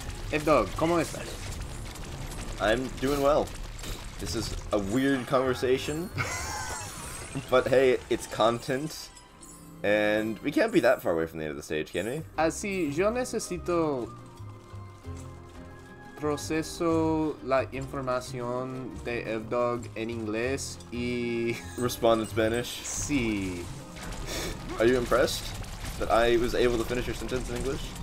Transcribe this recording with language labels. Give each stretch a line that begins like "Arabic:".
Spanish: Ev-Dawg, ¿cómo estás?
English: I'm doing well. This is a weird conversation. But hey, it's content. And we can't be that far away from the end of the stage, can we?
Spanish: Así, yo necesito proceso la información de Ev-Dawg en inglés y...
English: Respond in Spanish?
Spanish: Sí.
English: Are you impressed that I was able to finish your sentence in English?